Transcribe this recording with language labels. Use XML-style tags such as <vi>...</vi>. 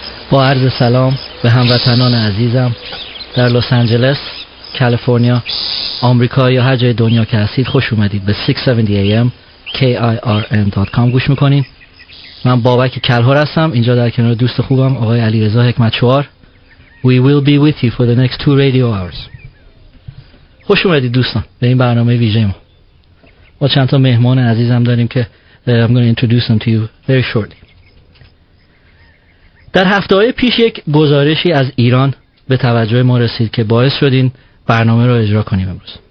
<fa>با عرض سلام به هموطنان عزیزم در لس آنجلس، کالیفرنیا، آمریکا یا هر جای دنیا که هستید، خوش اومدید به 670 AM KIRN.com گوش میکنین. من بابک کلهر هستم، اینجا در کنار دوست خوبم آقای علیرضا حکمت‌چوار.</fa> <en>We will be with you for the next two radio hours.</en> <fa>خوش اومدید دوستان به این برنامه ویژه ما. با چند تا مهمان عزیزم داریم که</fa> <en>I'm going to introduce them to you very shortly.</en> <fa>در هفته های پیش یک گزارشی از ایران به توجه ما رسید که باعث شد این برنامه را اجرا کنیم امروز.</fa>